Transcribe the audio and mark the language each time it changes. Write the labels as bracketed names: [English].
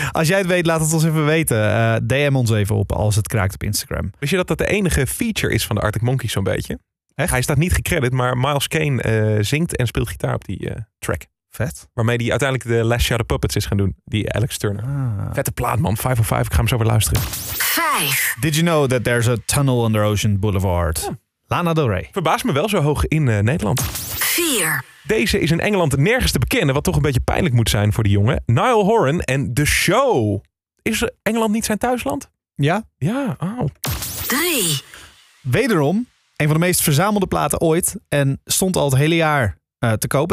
[Dutch] Als jij het weet, laat het ons even weten. DM ons even op als het kraakt op Instagram. Wist je dat de enige feature is van de Arctic Monkeys zo'n beetje? Echt? Hij staat niet gecredit, maar Miles Kane zingt en speelt gitaar op die track. Vet. Waarmee die uiteindelijk de Last Shadow Puppets is gaan doen. Die Alex Turner. Ah. Vette plaat, man. 505. Ik ga hem zo weer luisteren. 5. [English] Did you know that there's a tunnel under Ocean Boulevard? [Dutch] Ja. Lana Del Rey. Verbaast me wel zo hoog in Nederland. 4. Deze is in Engeland nergens te bekennen, wat toch een beetje pijnlijk moet zijn voor die jongen. Niall Horan en The Show. Is Engeland niet zijn thuisland? Ja. Ja. Oh. 3. Wederom, een van de meest verzamelde platen ooit. En stond al het hele jaar te koop.